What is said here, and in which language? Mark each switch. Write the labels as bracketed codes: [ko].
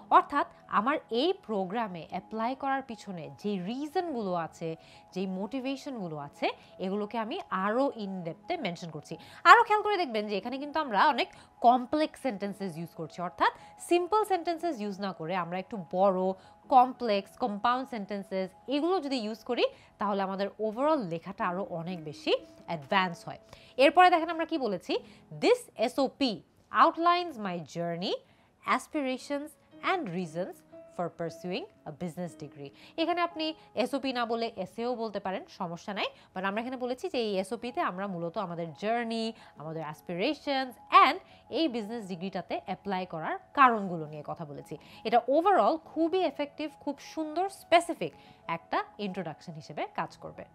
[bn] অর্থাৎ আমার এই প্রোগ্রামে অ্যাপ্লাই করার পিছনে যেই রিজনগুলো আছে, যেই মোটিভেশনগুলো আছে, এগুলোকে আমি আরও ইনডেপথে মেনশন করছি। আরও খেয়াল করে দেখবেন যে এখানে কিন্তু আমরা অনেক কমপ্লেক্স সেন্টেন্সেস ইউজ করছি, অর্থাৎ সিম্পল সেন্টেন্সেস ইউজ না করে আমরা একটু বড়ো কমপ্লেক্স কম্পাউন্ড সেন্টেন্সেস এগুলো যদি ইউজ করি তাহলে আমাদের ওভারঅল লেখাটা আরও অনেক বেশি অ্যাডভান্স হয়। এরপরে দেখেন আমরা কি বলেছি, [en] This SOP outlines my journey, aspirations and reasons for pursuing a business degree. [bn] এখানে আপনি এসওপি না বলে এসএও বলতে পারেন, সমস্যা নাই, বাট আমরা এখানে বলেছি যে এই এসওপিতে আমরা মূলত আমাদের জার্নি, আমাদের অ্যাসপিরেশনস অ্যান্ড এই বিজনেস ডিগ্রিটাতে অ্যাপ্লাই করার কারণগুলো নিয়ে কথা বলেছি। এটা ওভারঅল খুবই এফেক্টিভ, খুব সুন্দর স্পেসিফিক একটা ইন্ট্রোডাকশন হিসেবে কাজ করবে।